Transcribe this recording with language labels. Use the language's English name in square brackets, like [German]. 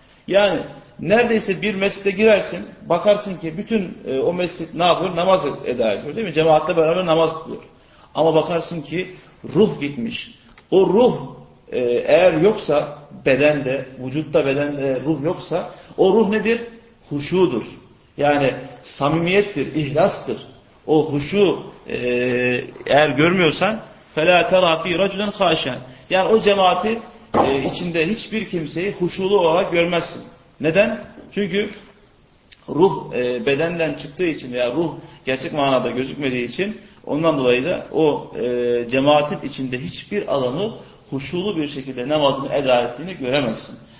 [Turkish] Yani neredeyse bir mescide girersin, bakarsın ki bütün o mescid ne yapıyor? Namaz eda ediyor değil mi? Cemaatle beraber namaz kılıyor. Ama bakarsın ki ruh gitmiş. O ruh eğer yoksa bedende, vücutta bedende ruh yoksa o ruh nedir? Huşudur. Yani samimiyettir, ihlastır. O huşu eğer görmüyorsan [Arabic] فَلَا تَرَا فِي رَجُلًا خَاشًا. [Turkish] Yani o cemaati içinde hiçbir kimseyi huşulu olarak görmezsin. Neden? Çünkü ruh bedenden çıktığı için veya ruh gerçek manada gözükmediği için ondan dolayı da o cemaatin içinde hiçbir alanı huşulu bir şekilde namazını eda ettiğini göremezsin.